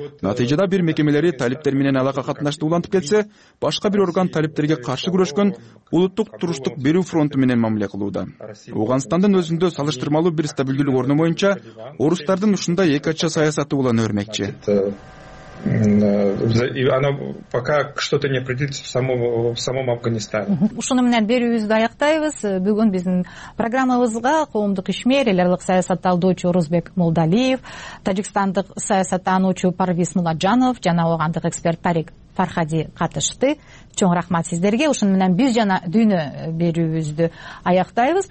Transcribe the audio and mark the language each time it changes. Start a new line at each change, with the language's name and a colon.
Kyrgyz: Натыйжада бир мекемелери талиптер менен алака катнашты улантып кетсе, башка бир орган талиптерге каршы күрөшкөн улуттук туруштук берүү фронту менен мамиле кылууда. Оогонстандын өзүндө салыштырмалуу бир стабилдүүлүк орну боюнча орустардын ушундай эки ача саясаты улана өрмөкчү.
Russian: И оно пока что-то не определится в самом Афганистане.
Kyrgyz: Ушуну менен берүүбүздү аяктайбыз. Бүгүн биздин программабызга коомдук ишмер, эл аралык саясат талдоочу Орозбек Молдалиев, тажикстандык саясат таануучу Парвиз Мулажанов жана оогандык эксперт Тарик Фархади катышты. Чоң рахмат сиздерге. Ушуну менен биз жана дүйнө берүүбүздү аяктайбыз.